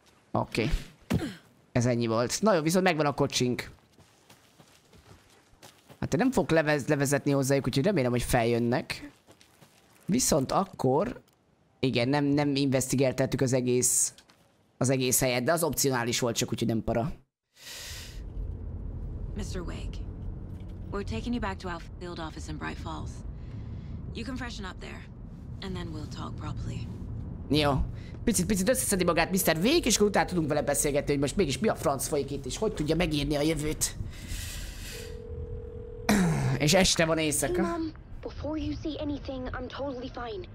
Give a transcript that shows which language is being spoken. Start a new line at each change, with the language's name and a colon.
Hungarian: Oké. Ez ennyi volt. Na jó, viszont megvan a kocsink. Hát én nem fogok levezetni hozzájuk, úgyhogy remélem, hogy feljönnek. Viszont akkor... Igen, nem investigáltattuk az egész helyet, de az opcionális volt csak, úgyhogy nem para.
English: Mr. Wake, we're taking you back to our field office in Bright Falls. You can freshen up there, and then we'll talk properly.
Hungarian: Jó. Picit összeszedi magát Mr. Wake, és akkor utána tudunk vele beszélgetni, hogy most mégis mi a franc folyik itt, és hogy tudja megírni a jövőt. És este van éjszaka.
English: Before you see anything, I'm totally fine.